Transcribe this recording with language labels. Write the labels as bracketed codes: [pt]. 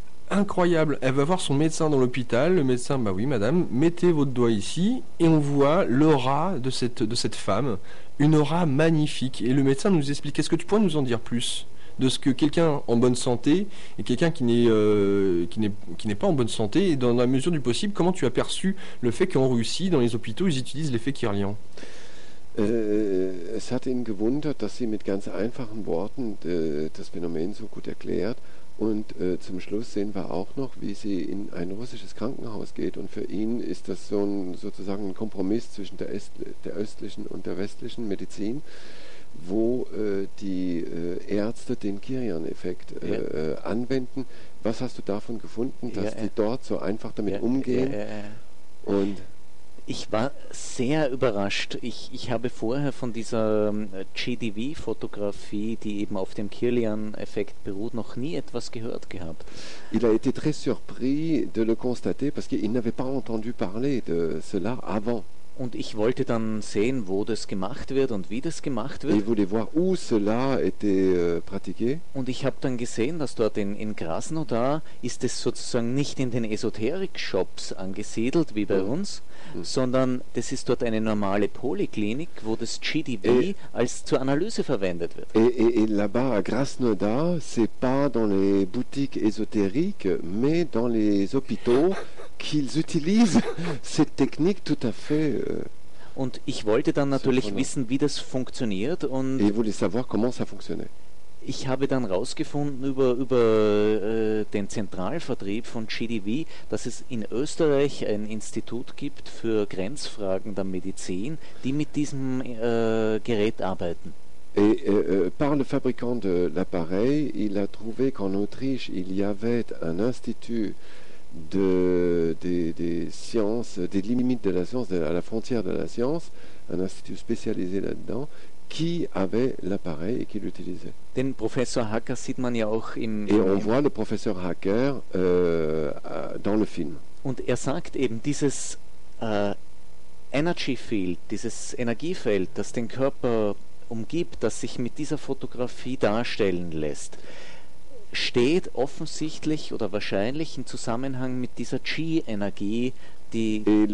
[fr] Incroyable, elle va voir son médecin dans l'hôpital, le médecin, bah oui madame, mettez votre doigt ici, et on voit l'aura de cette femme, une aura magnifique, et le médecin nous explique, est-ce que tu pourrais nous en dire plus de ce que quelqu'un en bonne santé, et quelqu'un qui n'est pas en bonne santé, et dans la mesure du possible, comment tu as perçu le fait qu'en Russie, dans les hôpitaux, ils utilisent l'effet Kirlian? [de] Es hat ihn gewundert, dass sie mit ganz einfachen Worten das Phänomen so gut erklärt. Und zum Schluss sehen wir auch noch, wie sie in ein russisches Krankenhaus geht. Und für ihn ist das so ein, sozusagen ein Kompromiss zwischen der östlichen und der westlichen Medizin, wo die Ärzte den Kirlian-Effekt anwenden. Was hast du davon gefunden, dass die dort so einfach damit umgehen? Und ich war sehr überrascht. Ich habe vorher von dieser GDV-Fotografie, die eben auf dem Kirlian-Effekt beruht, noch nie etwas gehört gehabt. [fr] Il a été très surpris de le constater parce qu'il n'avait pas entendu parler de cela avant. [de] Und ich wollte dann sehen, wo das gemacht wird und wie das gemacht wird. [fr] Il voulait voir où cela était pratiqué. [de] Und ich habe dann gesehen, dass dort in Krasnodar ist es sozusagen nicht in den Esoterik-Shops angesiedelt, wie bei uns, sondern das ist dort eine normale Poliklinik, wo das GDV als zur Analyse verwendet wird. [fr] Et là-bas, à Krasnodar, c'est pas dans les boutiques ésotériques, mais dans les hôpitaux qu'ils utilisent cette technique tout à fait. [de] Und ich wollte dann natürlich wissen, wie das funktioniert. Und [fr] et vous voulez savoir comment ça fonctionnait. [de] Ich habe dann rausgefunden über den Zentralvertrieb von GDV, dass es in Österreich ein Institut gibt für Grenzfragen der Medizin, die mit diesem Gerät arbeiten. [fr] Et par le fabricant de l'appareil, il a trouvé qu'en Autriche, il y avait un institut des sciences, des limites de la science, à la frontière de la science, un institut spécialisé là-dedans, qui avait l'appareil et qui l'utilisait. [de] Den Professor Hacker sieht man ja auch im [fr] et on voit le professeur Hacker dans le film. [de] Und sagt eben, dieses energy field, dieses Energiefeld, das den Körper umgibt, das sich mit dieser Fotografie darstellen lässt, steht offensichtlich oder wahrscheinlich in Zusammenhang mit dieser Qi-Energie, die